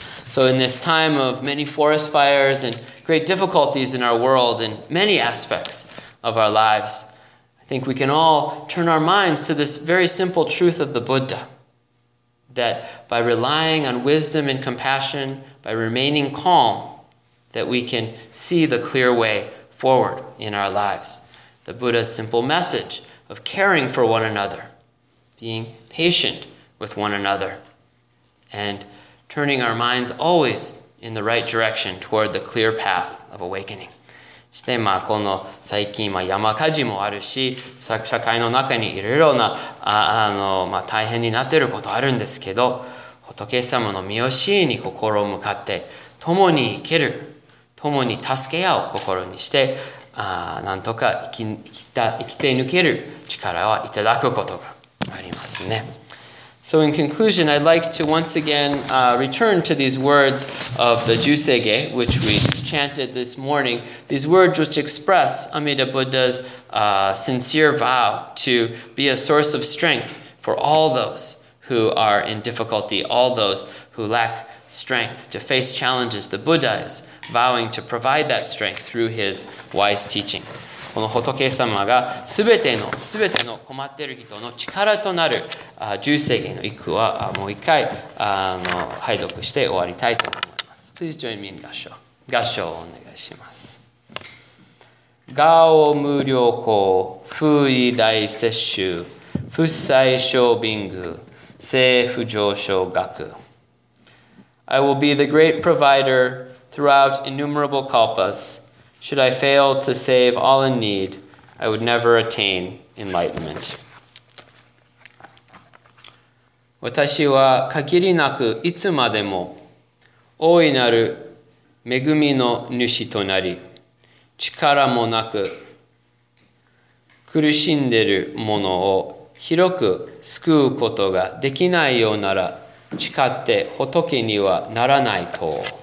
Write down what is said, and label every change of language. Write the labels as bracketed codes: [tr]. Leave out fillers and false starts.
[en] So in this time of many forest fires and great difficulties in our world and many aspects of our lives, I think we can all turn our minds to this very simple truth of the Buddha, that by relying on wisdom and compassion, by remaining calm, that we can see the clear way forward in our lives. The Buddha's simple message of caring for one another, being patient with one another, and turning our minds always in the right direction toward the clear path of awakening. [ja] そして、この最近、山火事もあるし、社会の中にいろいろな、大変になっていることあるんですけど、仏様の御教えに心を向かって、共に生ける、共に助け合う心にして、なんとか生きて抜ける力をいただくことがありますね。 [en] So in conclusion, I'd like to once again return to these words of the Jusege, which we chanted this morning. These words which express Amida Buddha's sincere vow to be a source of strength for all those who are in difficulty, all those who lack strength to face challenges. The Buddha is vowing to provide that strength through his wise teaching. [ja] この仏様がすべての困っている人の力となる十世紀の一句はもう一回拝読して終わりたいと思います。 [en] Please join me in 合唱。 [ja] 合唱をお願いします。ガオ無料公、フーイ大摂取、フッサイショービング、政府上昇学。 [en] I will be the great provider throughout innumerable kalpas. Should I fail to save all in need, I would never attain enlightenment. [ja] 私は限りなくいつまでも大いなる恵みの主となり、力もなく苦しんでいる者を広く救うことができないようなら、誓って仏にはならないと。